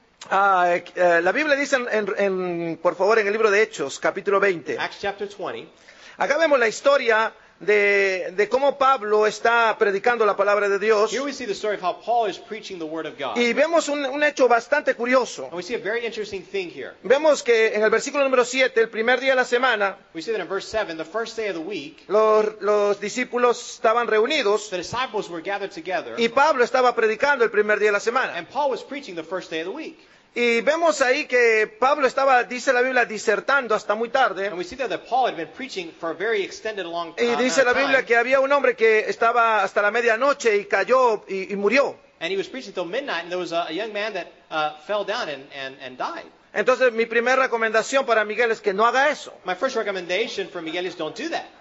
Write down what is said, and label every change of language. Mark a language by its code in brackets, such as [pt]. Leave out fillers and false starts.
[es] La Biblia dice, por favor, en el libro de Hechos, capítulo 20. [en] Acts chapter 20. [es] Acá vemos la historia de cómo Pablo está predicando la palabra de Dios. [en] Here we see the story of how Paul is preaching the word of God. [es] Y vemos un hecho bastante curioso. [en] And we see a very interesting thing here. [es] Vemos que en el versículo número 7, el primer día de la semana, [en] we see that in verse 7, the first day of the week, [es] los discípulos estaban reunidos. [en] The disciples were gathered together. [es] Y Pablo estaba predicando el primer día de la semana. [en] And Paul was preaching the first day of the week. [es] Y vemos ahí que Pablo estaba, dice la Biblia, disertando hasta muy tarde. [en] And we see that Paul had been preaching for a very extended long time. [es] Y dice la Biblia que había un hombre que estaba hasta la medianoche y cayó y murió. [en] And he was preaching till midnight, and there was a young man that fell down and died. [es] Entonces, mi primera recomendación para Miguel es que no haga eso. [en] My first recommendation for Miguel is don't do that.